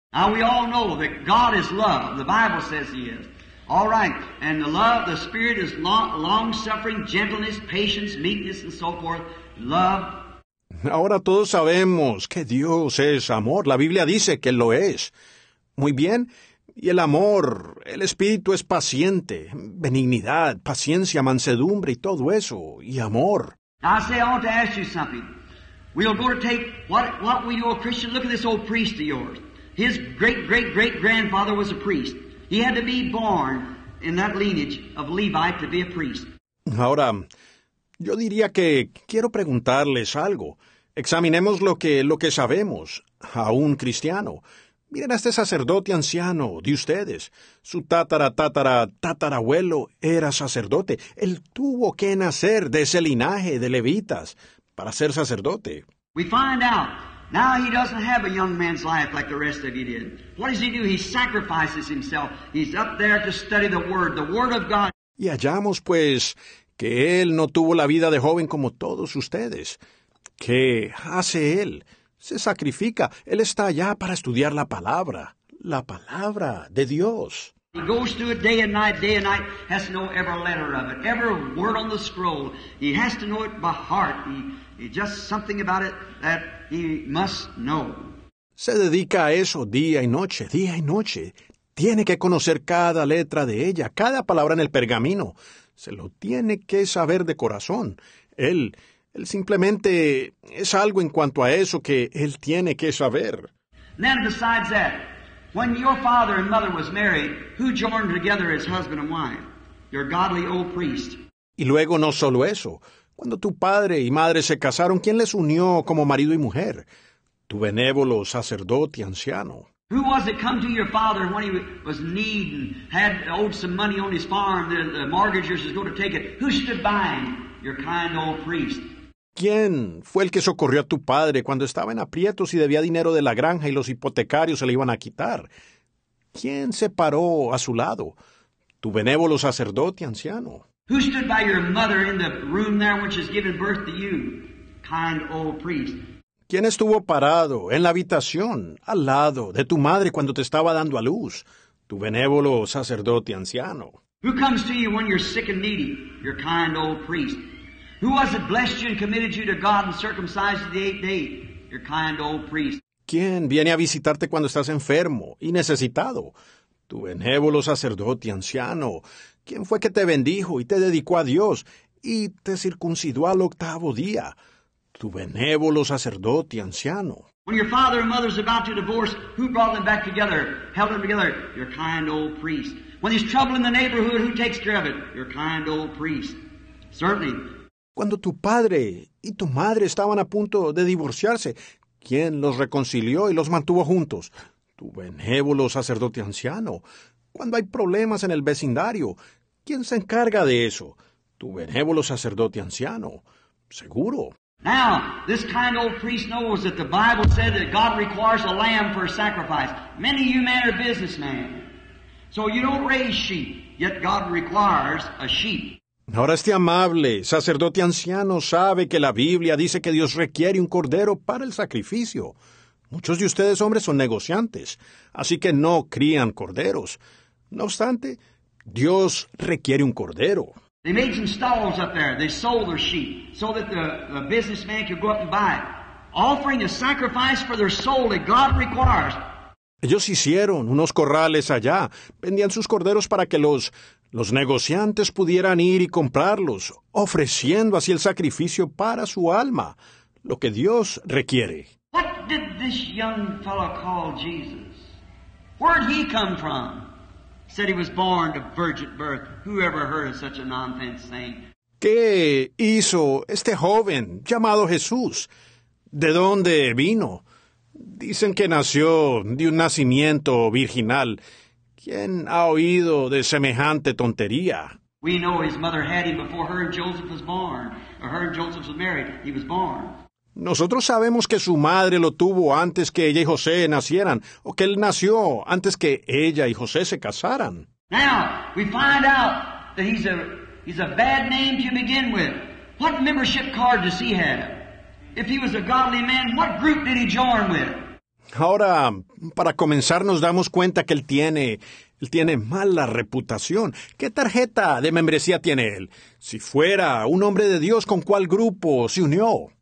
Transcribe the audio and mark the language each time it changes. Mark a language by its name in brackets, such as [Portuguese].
[English] Now we all know that God is love. The Bible says he is. All right, and the love, the Spirit is long-suffering, gentleness, patience, meekness, and so forth. Love. [Spanish] Ahora todos sabemos que Dios es amor. La Biblia dice que Él lo es. Muy bien. Y el amor, el Espíritu es paciente, benignidad, paciencia, mansedumbre y todo eso. Y amor. [English] Now I say, I want to ask you something. We'll go to take what we do a Christian. Look at this old priest of yours. His great-great-great-grandfather was a priest. He had to be born in that lineage of Levite to be a priest. [Spanish] Ahora, yo diría que quiero preguntarles algo. Examinemos lo que sabemos. A un cristiano. Miren a este sacerdote anciano de ustedes. Su tatara, tatara, tatarabuelo era sacerdote. Él tuvo que nacer de ese linaje de levitas para ser sacerdote. [English] We find out. Now he doesn't have a young man's life like the rest of you did. What does he do? He sacrifices himself. He's up there to study the word of God. [Spanish] Y hallamos, pues, que él no tuvo la vida de joven como todos ustedes. ¿Qué hace él? Se sacrifica. Él está allá para estudiar la palabra de Dios. [English] He goes through it day and night, has to know every letter of it, every word on the scroll. He has to know it by heart. It's just something about it that he must know. [Spanish] Se dedica a eso día y noche. Tiene que conocer cada letra de ella, cada palabra en el pergamino. Se lo tiene que saber de corazón. Él simplemente es algo en cuanto a eso que él tiene que saber. [English] And then besides that, when your father and mother was married, who joined together as husband and wife? Your godly old priest. [Spanish] Y luego no solo eso. Cuando tu padre y madre se casaron, ¿quién les unió como marido y mujer? Tu benévolo sacerdote anciano. [English] Who was it come to your father when he was needing, had owed some money on his farm, the mortgagers was going to take it? Who stood by him? Your kind old priest. [Spanish] ¿Quién fue el que socorrió a tu padre cuando estaba en aprietos y debía dinero de la granja y los hipotecarios se le iban a quitar? ¿Quién se paró a su lado? Tu benévolo sacerdote anciano. [English] Who stood by your mother in the room there when she's giving birth to you? Kind old priest. [Spanish] ¿Quién estuvo parado en la habitación al lado de tu madre cuando te estaba dando a luz? Tu benévolo sacerdote anciano. [English] Who comes to you when you're sick and needy? Your kind old priest. Who was it blessed you and committed you to God and circumcised you the eighth day? Your kind old priest. [Spanish] ¿Quién viene a visitarte cuando estás enfermo y necesitado? Tu benévolo sacerdote anciano. ¿Quién fue que te bendijo y te dedicó a Dios y te circuncidó al octavo día? Tu benévolo sacerdote anciano. [English] When your father and mother's about to divorce, who brought them back together, held them together? Your kind old priest. When there's trouble in the neighborhood, who takes care of it? Your kind old priest. Certainly. [Spanish] Cuando tu padre y tu madre estaban a punto de divorciarse, ¿quién los reconcilió y los mantuvo juntos? Tu benévolo sacerdote anciano. Cuando hay problemas en el vecindario, ¿quién se encarga de eso? Tu benévolo sacerdote anciano. Seguro. [English] Now, this kind old priest knows that the Bible said that God requires a lamb for a sacrifice. Many of you men are businessmen. So you don't raise sheep, yet God requires a sheep. [Spanish] Ahora este amable sacerdote anciano sabe que la Biblia dice que Dios requiere un cordero para el sacrificio. Muchos de ustedes hombres son negociantes, así que no crían corderos. No obstante, Dios requiere un cordero. [English] They made some stalls up there. They sold their sheep so that the businessman could go up and buy it. Offering a sacrifice for their soul that God requires. [Spanish] Ellos hicieron unos corrales allá. Vendían sus corderos para que los negociantes pudieran ir y comprarlos, ofreciendo así el sacrificio para su alma, lo que Dios requiere. [English] What did this young fellow call Jesus? Where did he come from? Said he was born of virgin birth. Who ever heard of such a nonsense saying? [Spanish] ¿Qué hizo este joven llamado Jesús? ¿De dónde vino? Dicen que nació de un nacimiento virginal. ¿Quién ha oído de semejante tontería? [English] We know his mother had him before her and Joseph was born. Or her and Joseph was married. He was born. [Spanish] Nosotros sabemos que su madre lo tuvo antes que ella y José nacieran, o que él nació antes que ella y José se casaran. [English] Now, we find out that he's a bad name to begin with. What membership card does he have? If he was a godly man, what group did he join with? [Spanish] Ahora, para comenzar, nos damos cuenta que él tiene mala reputación. ¿Qué tarjeta de membresía tiene él? Si fuera un hombre de Dios, ¿con cuál grupo se unió?